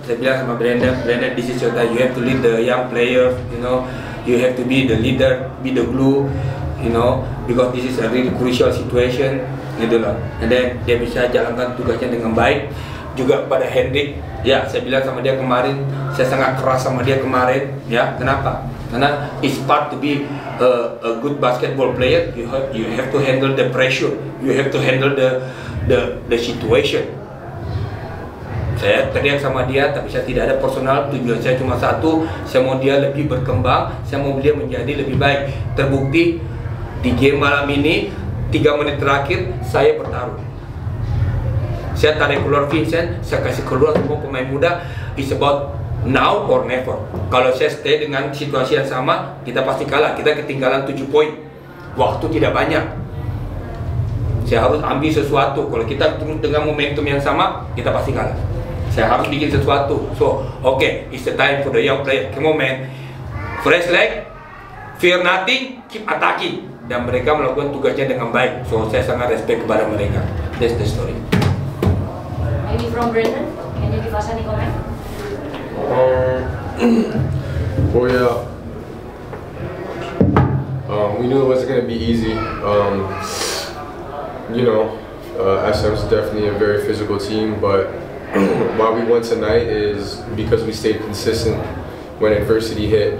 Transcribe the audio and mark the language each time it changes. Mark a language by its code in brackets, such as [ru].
[id] Saya bilang sama [en] Brandon, Brandon, this is your time. You have to lead the young players, you know. You have to be the leader, be the glue, you know, because this is a really crucial situation, [id] gitu loh. [en] And then [id] dia bisa jalankan tugasnya dengan baik. Juga pada Hendrik, ya saya bilang sama dia kemarin, saya sangat keras sama dia kemarin, ya kenapa? Karena [en] it's part to be a good basketball player, you have to handle the pressure, you have to handle the situation. [id] Saya teriak sama dia, tapi saya tidak ada personal, tujuan saya cuma satu, saya mau dia lebih berkembang, saya mau dia menjadi lebih baik. Terbukti di game malam ini, 3 menit terakhir saya bertarung. Saya tarik keluar Vincent, saya kasih keluar semua pemain muda. [en] It's about now or never. [id] Kalau saya stay dengan situasi yang sama, kita pasti kalah. Kita ketinggalan 7 poin. Waktu tidak banyak. Saya harus ambil sesuatu. Kalau kita terus dengan momentum yang sama, kita pasti kalah. Saya harus bikin sesuatu. [en] So, okay, it's the time for the young player. Come on, man. Fresh leg, fear nothing, keep attacking. [id] Dan mereka melakukan tugasnya dengan baik. So, saya sangat respect kepada mereka. [en] That's the story. Maybe from Brandon, can you give us any comment? We knew it wasn't going to be easy. SM's definitely a very physical team, but why we won tonight is because we stayed consistent when adversity hit.